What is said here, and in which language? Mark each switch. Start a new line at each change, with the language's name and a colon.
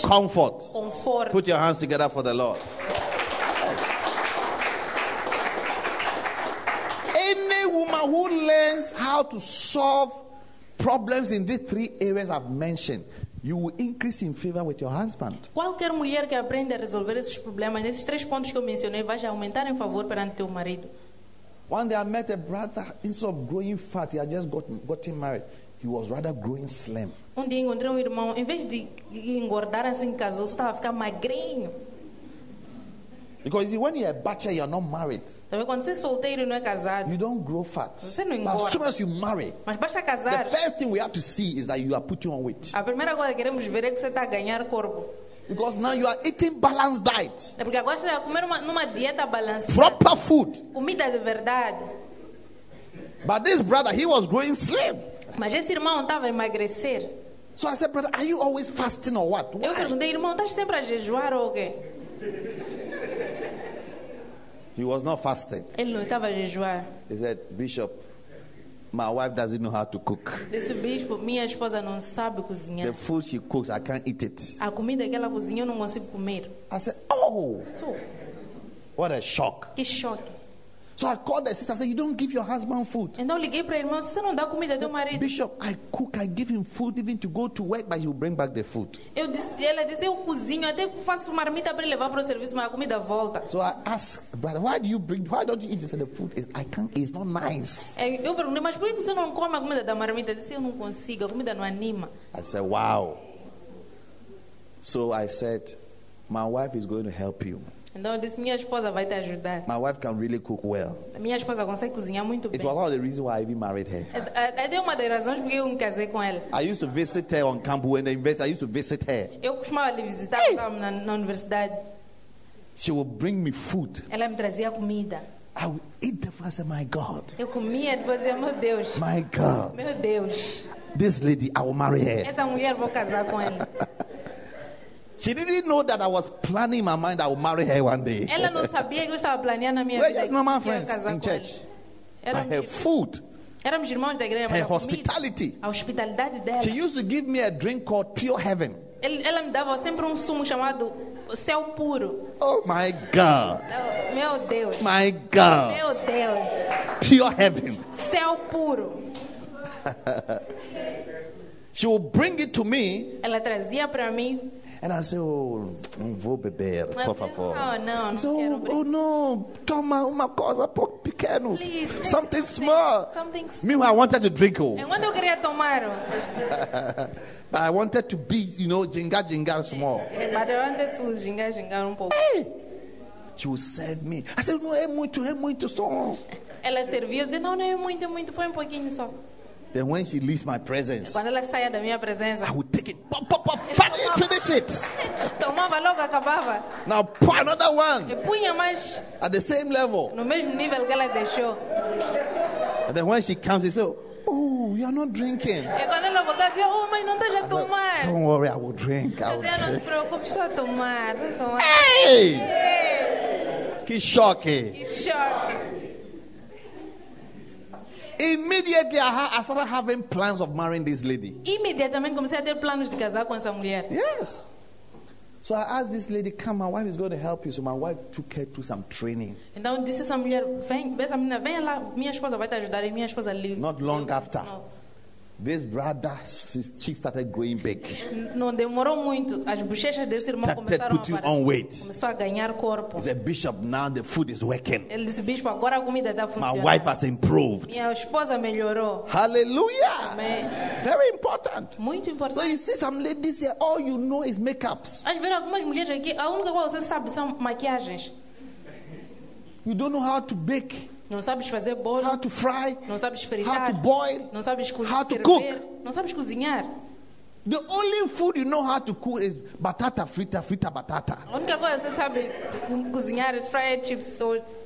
English: Comfort.
Portuguese: Conforto.
English: Put your hands together for the Lord. Woman who learns how to solve problems in these three areas I've mentioned, you will increase in favor with your husband.
Portuguese: Qualquer mulher que aprenda a resolver esses problemas nesses três pontos que eu mencionei vai aumentar em favor perante teu marido.
English: One day I met a brother, instead of growing fat, he had just gotten married. He was rather growing slim.
Portuguese: Um dia encontrei um irmão, em vez de engordar assim que casou, estava a ficar magrinho.
English: Because you see, when you're a bachelor, you're not married.
Portuguese: Quando você é solteiro e não é casado.
English: You don't grow fat.
Portuguese: Você não engorda.
English: But as soon as you marry.
Portuguese: Mas basta casar.
English: The first thing we have to see is that you are putting on weight.
Portuguese: A primeira coisa que queremos ver é que você está a ganhar corpo.
English: Because now you are eating balanced diet.
Portuguese: É porque agora você está a comer numa dieta balanceada.
English: Proper food.
Portuguese: Comida de verdade.
English: But this brother, he was growing slim.
Portuguese: Mas esse irmão estava a emagrecer.
English: So I said, brother, are you always fasting or what?
Portuguese: Eu perguntei, irmão, estás sempre a jejuar ou o quê?
English: He was not fasting.
Portuguese: Ele não estava a jejuar.
English: He said, "Bishop, my wife doesn't know how to cook."
Portuguese: Disse, bispo, minha esposa não sabe cozinhar.
English: The food she cooks, I can't eat it.
Portuguese: A comida que ela cozinha, eu não consigo comer.
English: I said, "Oh, so, what a shock!"
Portuguese: Que choque!
English: So I called the sister. I said, "You don't give your husband food."
Portuguese: Então liguei para a irmã. Você não dá comida ao marido.
English: Bishop, I cook. I give him food even to go to work, but he'll bring back the food.
Portuguese: Eu disse, ela disse, eu cozinho. Até faço uma marmita para levar para o serviço, mas a comida volta.
English: So I asked, brother, why don't you eat? He said, the food is, I can't. It's not nice.
Portuguese: Eu perguntei, mas por que você não come a comida da marmita? Disse, eu não consigo. A comida não anima.
English: I said, wow. So I said, my wife is going to help you.
Portuguese: Então eu disse, minha esposa vai te ajudar.
English: My wife can really cook well.
Portuguese: Minha esposa consegue cozinhar muito bem.
English: It was one of the reasons why I even married her.
Portuguese: É uma das razões porque eu me casei com ela.
English: I used to visit her on campus when the university. I used to visit her.
Portuguese: Eu costumava lhe visitar quando estava na universidade.
English: She would bring me food.
Portuguese: Ela me trazia comida.
English: I would eat the food. I said, my God.
Portuguese: Eu comia depois, meu Deus.
English: My God.
Portuguese: Meu Deus.
English: This lady, I will marry her.
Portuguese: Essa mulher vou casar com ela.
English: She didn't know that I was planning in my mind I would marry her one day.
Portuguese: Ela não sabia que eu estava planeando a minha
English: vida. Where is normal friends in church? By her food.
Portuguese: Éramos irmãos da igreja.
English: Her hospitality.
Portuguese: A hospitalidade dela.
English: She used to give me a drink called Pure Heaven.
Portuguese: Ela me dava sempre sumo chamado Céu Puro.
English: Oh my God.
Portuguese: Meu Deus.
English: My God.
Portuguese: Meu Deus.
English: Pure Heaven.
Portuguese: Céu Puro.
English: She would bring it to me.
Portuguese: Ela trazia para mim.
English: And I said, oh,
Portuguese: não vou beber, mas por favor. Não, toma uma coisa pequena.
English: Please, something small. Something small. Meanwhile, I wanted to drink.
Portuguese: Eu queria tomar.
English: But I wanted to be, you know, jinga jinga small. But I wanted to jinga jinga
Portuguese: um pouco.
English: She will serve me. I said,
Portuguese: não, é muito só. Ela serviu, eu disse, não, é muito, foi um pouquinho só.
English: Then when she leaves my presence,
Portuguese: quando ela saia da minha presença,
English: I would take it, pop, pop, pop, finally finish it.
Portuguese: Tomava logo, acabava.
English: Now put another one.
Portuguese: E punha mais
English: at the same level.
Portuguese: No mesmo nível que ela deixou.
English: And then when she comes, she says, oh, you are not drinking.
Portuguese: E quando ela voltar, dizia, oh, mãe, não deixa tomar.
English: Don't worry, I will drink. I will drink.
Portuguese: Não te preocupes, só tomar. Hey! Que choque. Que choque.
English: Immediately, I started having plans of marrying this lady.
Portuguese: Imediatamente comecei a ter planos de casar com essa mulher.
English: Yes. So I asked this lady, come, my wife is going to help you. So my wife took her to some training.
Portuguese: Então disse essa mulher, vem lá, minha esposa vai te ajudar e minha esposa livre.
English: Not long after, this brother, his cheeks started growing big.
Portuguese: Não demorou muito, as bochechas desse irmão
English: started putting on weight.
Portuguese: Começou a ganhar corpo.
English: He said, Bishop, now the food is working.
Portuguese: Ele disse, Bispo, agora a comida está funcionando.
English: My wife has improved.
Portuguese: Minha esposa melhorou.
English: Hallelujah.
Portuguese: Amen.
English: Very important.
Portuguese: Muito importante.
English: So you see some ladies here, all you know is makeups.
Portuguese: As ver algumas mulheres aqui, a única coisa que você sabe são maquiagens.
English: You don't know how to bake.
Portuguese: Não sabes fazer bolo.
English: How to fry?
Portuguese: Não sabes fritar.
English: How to boil?
Portuguese: Não sabes cozinhar.
English: How to cook?
Portuguese: Não sabes cozinhar.
English: The only food you know how to cook is
Portuguese: batata frita, frita batata. A única coisa que você sabe cozinhar é
English: fried chips
Portuguese: ou